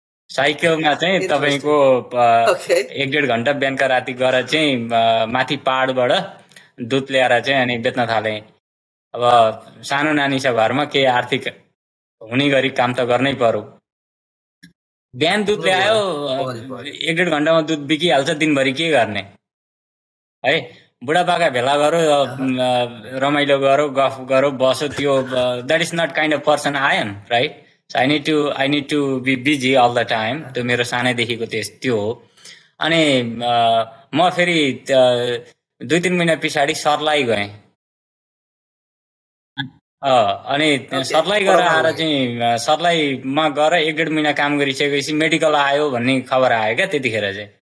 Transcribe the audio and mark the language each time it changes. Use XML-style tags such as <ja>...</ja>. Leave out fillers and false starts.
<ne>साइकलमा चाहिँ तपाईँको एक डेढ घन्टा बिहानका राति गएर चाहिँ माथि पहाडबाट दुध ल्याएर चाहिँ अनि बेच्न थालेँ अब सानो नानी छ घरमा केही आर्थिक हुने गरी काम त गर्नै पर्यो बिहान दुध ल्यायो एक डेढ घन्टामा दुध बिकिहाल्छ दिनभरि के गर्ने है बुढापाका भेला गरौँ, रमाइलो गरौँ, गफ गरौँ, बसौँ, त्यो</ne> <en>That is not kind of person I am, right? So I need to be busy all the time.</en> <ne>त्यो मेरो सानैदेखिको त्यो हो. अनि म फेरि दुई तिन महिना पछाडि सर्लाई गएँ. अनि सर्लाई गएर आएर चाहिँ सर्लाईमा गएर एक डेढ महिना काम गरिसकेपछि मेडिकल आयो भन्ने खबर आयो क्या त्यतिखेर चाहिँ.</ne>